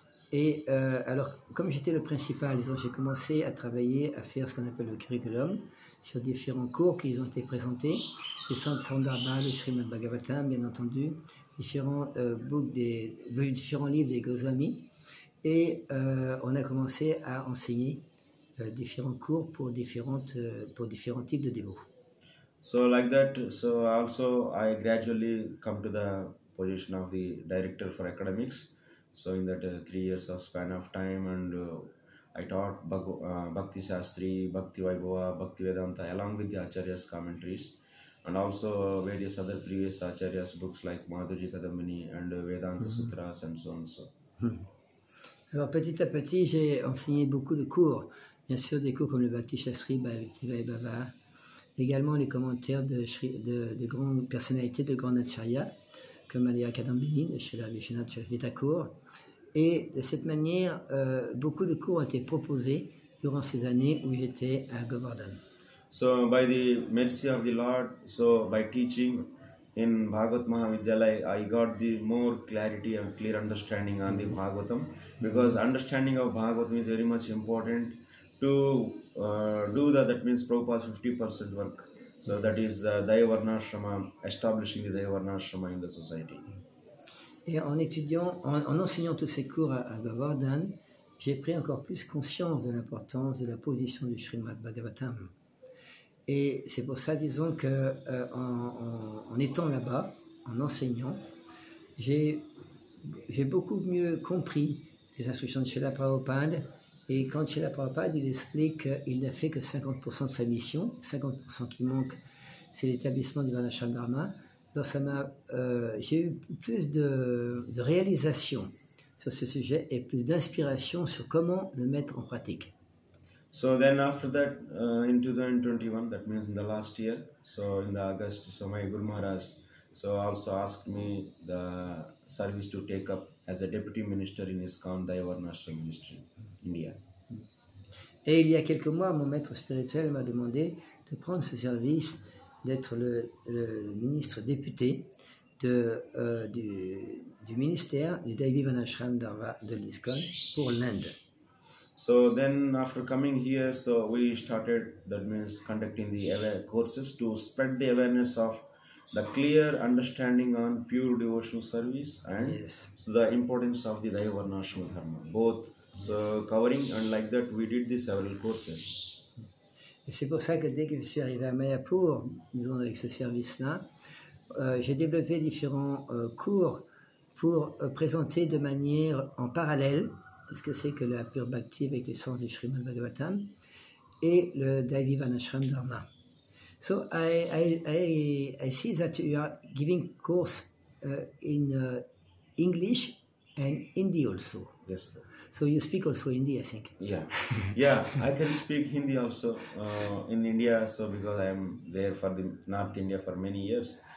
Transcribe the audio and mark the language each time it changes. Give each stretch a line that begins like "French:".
French: Et alors, comme j'étais le principal, disons, j'ai commencé à travailler, à faire ce qu'on appelle le curriculum sur différents cours qui ont été présentés, les Sandarbha, le Srimad Bhagavatam, bien entendu, différents livres des Goswamis. Et on a commencé à enseigner différents cours pour différents types de dévots.
English: So like that, so also I gradually come to the position of the director for academics. So in that 3 years of span of time, and I taught Bhakti Shastri, Bhakti Vaibhava, Bhakti Vedanta along with the Acharya's commentaries, and also various other previous Acharya's books like Madhuri Kadambini and Vedanta Sutras and so on. So.
French: Alors petit à petit, j'ai enseigné beaucoup de cours, bien sûr des cours comme le Bhakti Shastri, Bhakti Vaibhava, également les commentaires de grandes personnalités de grand acharya comme Aliya Kadambini, Shri Vishnath Chakritakur, Et de cette manière, beaucoup de cours ont été proposés durant ces années où j'étais à Govardhan.
English: So by the mercy of the Lord, so by teaching in Bhagavat Mahavidyalaya, I got the more clarity and clear understanding on the Bhagavatam, because understanding of Bhagavatam is very much important to do that. That means Prabhupada's 50% work. So yes, that is the Daivarnashrama, establishing the Daivarnashrama in the society.
French: Et en étudiant, en enseignant tous ces cours à Govardhan, j'ai pris encore plus conscience de l'importance de la position du Srimad Bhagavatam. Et c'est pour ça, disons, que en étant là-bas, en enseignant, j'ai beaucoup mieux compris les instructions de Srila Prabhupada. Et quand Srila Prabhupada, il explique qu'il n'a fait que 50% de sa mission, 50% qui manque, c'est l'établissement du Varnashram Dharma. Alors ça m'a, j'ai eu plus de réalisation sur ce sujet et plus d'inspiration sur comment le mettre en pratique.
English: So then after that, in 2021, that means in the last year, so in the August, so my Guru Maharaj so also asked me the service to take up as a deputy minister in ISKCON Daivarnashram Ministry, India.
French: Et il y a quelques mois, mon maître spirituel m'a demandé de prendre ce service, d'être le ministre député du ministère du Daivarnashram Dharma de l'ISKCON pour l'Inde.
English: So then after coming here, so we started, that means conducting the courses to spread the awareness of the clear understanding on pure devotional service and yes, the importance of the Daivarnashram Dharma, both yes, so covering, and like that we did the several courses.
French: Et c'est pour ça que dès que je suis arrivé à Mayapur, disons avec ce service-là, j'ai développé différents cours pour présenter de manière en parallèle ce que c'est que la pure bhakti avec l'essence du Srimad Bhagavatam et le Daivarnashram Dharma.
English: So I see that you are giving course in English and Hindi also. Yes. So you speak also Hindi, I think. Yeah, I can speak Hindi also in India. So because I am there for the North India for many years.